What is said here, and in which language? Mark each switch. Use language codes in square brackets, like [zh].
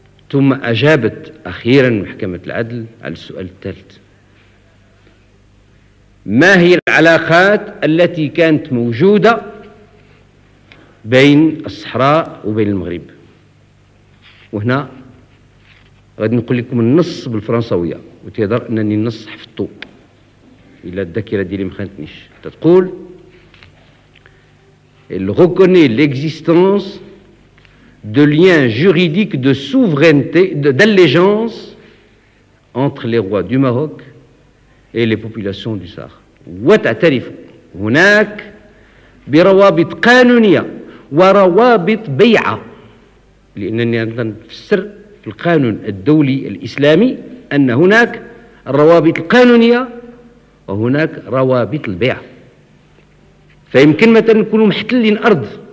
[ar] ثم أجابت أخيرا محكمة العدل على السؤال الثالث: ما هي العلاقات التي كانت موجودة بين الصحراء وبين المغرب؟ وهنا غادي نقول لكم النص بالفرنسوية، وتيظهر أنني النص حفظته إلا الذاكرة ديالي ما خانتنيش. تتقول: [fr] elle reconnaît l'existence de liens juridiques de souveraineté, d'allégeance entre les rois du Maroc et les populations du Sahara. [ar] وتعترف هناك بروابط قانونية وروابط بيعة لأنني أفسر في القانون الدولي الإسلامي أن هناك الروابط القانونية وهناك روابط البيع فيمكن مثلا نكونوا محتلين أرض